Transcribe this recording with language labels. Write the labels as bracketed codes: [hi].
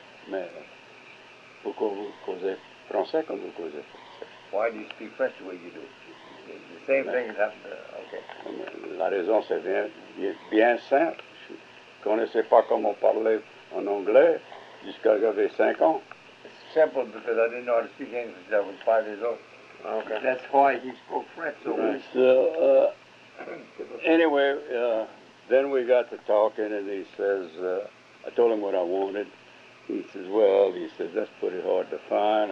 [fr] Mais pourquoi vous causez français comme vous causez français? [en] Why do you speak French the way you do? Is this same thing is happening. Okay. [fr] La raison, c'est bien simple. Je ne connaissais pas comment parler en anglais jusqu'à j'avais 5 ans. [en] It's simple because I didn't know how to speak English when I was 5 years old. Okay. That's why he spoke French so well. So, anyway, then we got to talking, and he says, I told him what I wanted. He says, well, he says, that's pretty hard to find.